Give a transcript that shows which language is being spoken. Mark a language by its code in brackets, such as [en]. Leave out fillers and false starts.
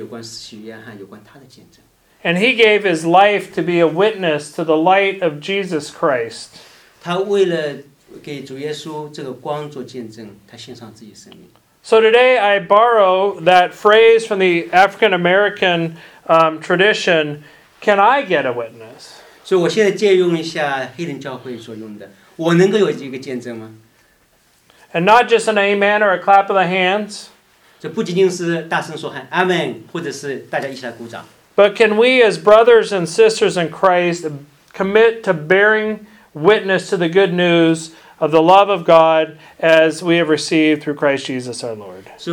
[zh] 所以当我们看见今天我们讲的是有关使徒约翰，有关他的见证。 [en] And he gave his life to be a witness to the light of Jesus Christ. [zh] 他为了给主耶稣这个光做见证，他献上自己的生命。 [en] So today I borrow that phrase from the African American tradition, can I get a witness? [zh] 所以我现在借用一下黑人教会所用的，我能够有一个见证吗？ [en] And not just an amen or a clap of the hands. [zh] 这不仅仅是大声说喊amen，或者是大家一起来鼓掌。 [en] But can we as brothers and sisters in Christ commit to bearing witness to the good news of the love of God as we have received through Christ Jesus our Lord?